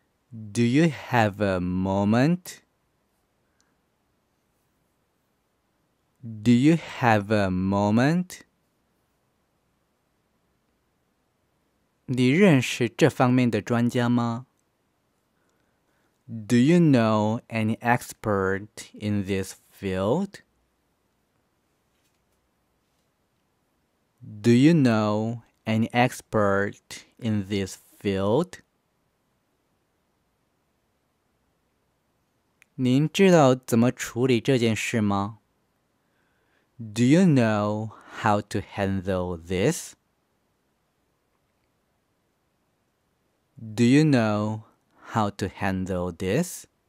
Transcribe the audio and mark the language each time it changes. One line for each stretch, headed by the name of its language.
English: Do you have a moment? Do you have a moment?
Chinese: 你认识这方面的专家吗?
English: Do you know any expert in this field? Do you know any expert in this field?
Chinese: 您知道怎么处理这件事吗?
English: Do you know how to handle this? Do you know how to handle this?